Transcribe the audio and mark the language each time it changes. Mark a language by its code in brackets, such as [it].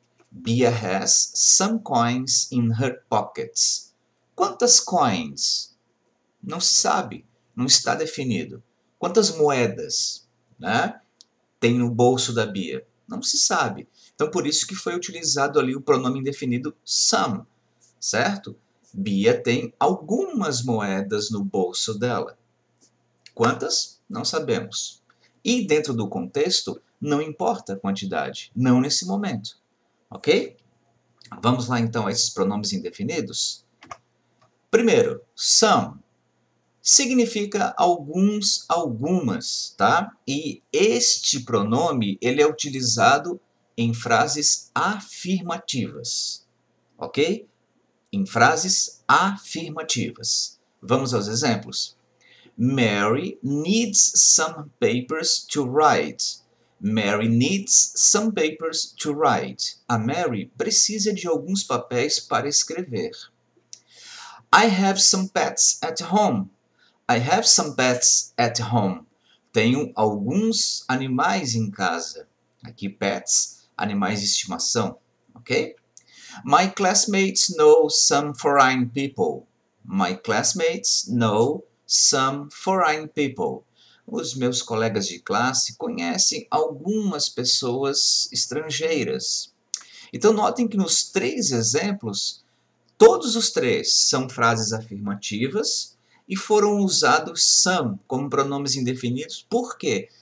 [en] Bia has some coins in her pockets. [pt] Quantas coins? Não se sabe, não está definido. Quantas moedas, né, tem no bolso da Bia? Não se sabe. Então, por isso que foi utilizado ali o pronome indefinido some, certo? Bia tem algumas moedas no bolso dela. Quantas? Não sabemos. E dentro do contexto, não importa a quantidade, não nesse momento. Ok? Vamos lá então a esses pronomes indefinidos? Primeiro, some significa alguns, algumas, tá? E este pronome, ele é utilizado em frases afirmativas. Ok? Em frases afirmativas. Vamos aos exemplos. [en] Mary needs some papers to write. Mary needs some papers to write. [pt] A Mary precisa de alguns papéis para escrever. [en] I have some pets at home. I have some pets at home. [pt] Tenho alguns animais em casa. Aqui, pets, animais de estimação. Ok? [en] My classmates know some foreign people. My classmates know some foreign people. [pt] Os meus colegas de classe conhecem algumas pessoas estrangeiras. Então, notem que nos três exemplos, todos os três são frases afirmativas e foram usados some como pronomes indefinidos. Por quê?